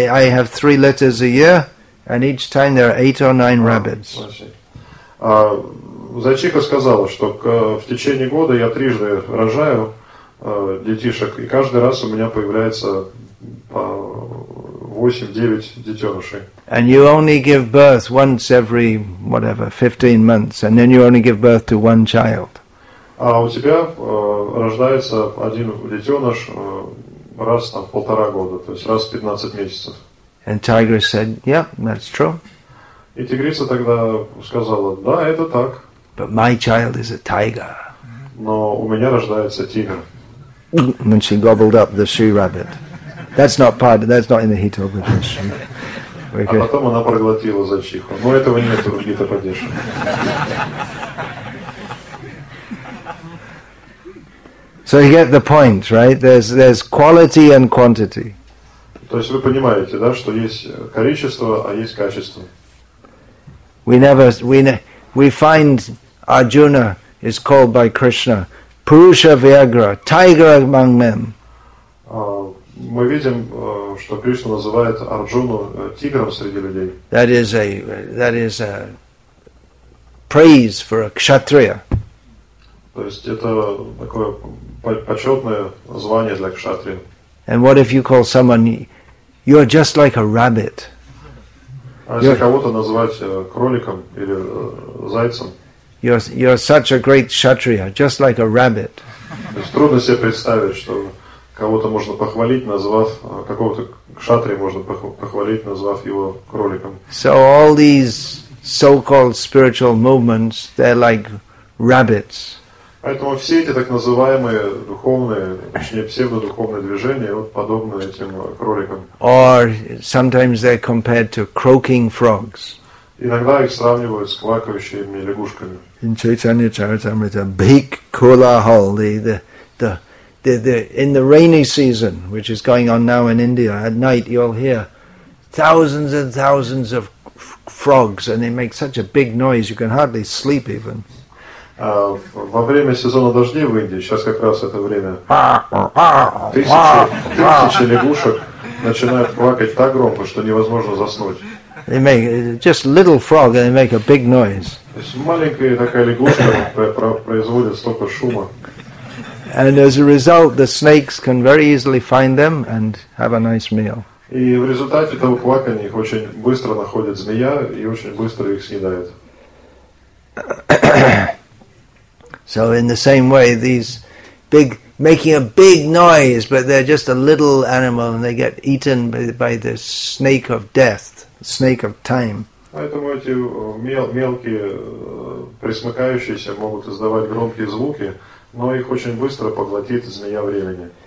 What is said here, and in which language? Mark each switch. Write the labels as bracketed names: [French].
[English] have 3 litters a year, and each time there are 8 or 9 rabbits. [Russian] Зайчиха сказала, что в течение года я трижды рожаю детишек, и каждый раз у меня появляется 8-9 детенышей. [English] And you only give birth once every, whatever, 15 months, and then you only give birth to one child. [Russian] А у тебя рождается один детеныш раз там, в полтора года, то есть раз в 15 месяцев. [English] And tiger said, yeah, that's true. [Russian] И тигрица тогда сказала, да, это так. [English] But my child is a tiger. [Russian] Но у меня рождается тигр. [English] When she gobbled up the she rabbit. That's not in the Hitopadesh. [Russian] А потом она проглотила зайчиху. Но этого нет в Гитападеше. [English] So you get the point, right? There's quality and quantity. [Russian] То есть вы понимаете, да, что есть количество, а есть качество. [English] We find Arjuna is called by Krishna Purusha Vyagra, tiger among men. [Russian] Мы видим, что Кришна называет Арджуну тигром среди людей. [English] That is a praise for a kshatriya. [Russian] То есть это такое почетное звание для кшатрия. [English] And what if you call someone, you're just like a rabbit. [Russian] А если кого-то назвать кроликом или зайцем? [English] You're such a great kshatriya, just like a rabbit. [Russian] То есть трудно себе представить, что кого-то можно похвалить, назвав какого-то кшатрия можно похвалить, назвав его кроликом. [English] So all these so-called spiritual movements, they're like rabbits. [Russian] Поэтому все эти так называемые духовные, точнее псевдодуховные движения, вот подобны этим кроликам. [English] Or sometimes they're compared to croaking frogs. [Russian] Иногда их сравнивают с квакающими лягушками. [English] In Chaitanya Charitamrita, Bhik Kula Hal, the in the rainy season, which is going on now in India, at night you'll hear thousands and thousands of frogs, and they make such a big noise you can hardly sleep even. [Russian] Во время сезона дождей в Индии, сейчас как раз это время, тысячи лягушек начинают квакать так громко, что невозможно заснуть. [English] They make just little frog, and they make a big noise. [Russian] Маленькая такая лягушка производит столько шума. [English] And as a result, the snakes can very easily find them and have a nice meal. [Russian] И в результате того квакания их очень быстро находит змея и очень быстро их съедает. [English] So in the same way, these big making a big noise, but they're just a little animal, and they get eaten by the snake of death. Snake of time. [Russian] Поэтому эти мелкие присмыкающиеся могут издавать громкие звуки, но их очень быстро поглотит змея времени.